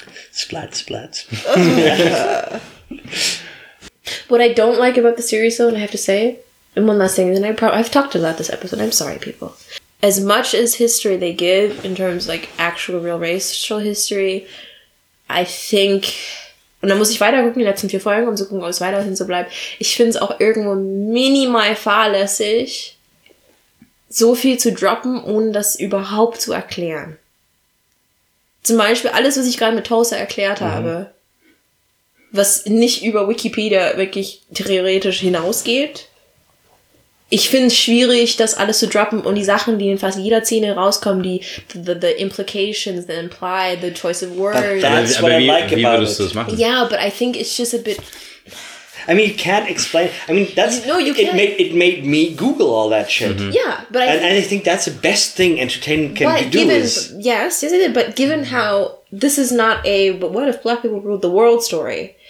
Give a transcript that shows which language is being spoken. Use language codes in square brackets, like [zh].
[en] Splat, splat. What I don't like about the series, though, and I have to say, and one last thing, and I've talked about this episode, I'm sorry, people. As much as history they give in terms of, like, actual real racial history, I think... [de] Und dann muss ich weiter gucken, die letzten vier Folgen, um zu gucken, ob es weiterhin so bleibt. Ich finde es auch irgendwo minimal fahrlässig, so viel zu droppen, ohne das überhaupt zu erklären. Zum Beispiel alles, was ich gerade mit Tulsa erklärt habe, was nicht über Wikipedia wirklich theoretisch hinausgeht. Ich finde es schwierig, das alles zu droppen und die Sachen, die in fast jeder Szene rauskommen, die [en] the implications, the imply, the choice of words. That's what I like about it. Yeah, but I think it's just a bit... I mean, you can't explain... I mean, that's... No, you can't. It made me Google all that shit. Mm-hmm. Yeah, but And I think that's the best thing entertainment can do is... Yes, isn't it? But given how this is not a... But what if black people ruled the world story?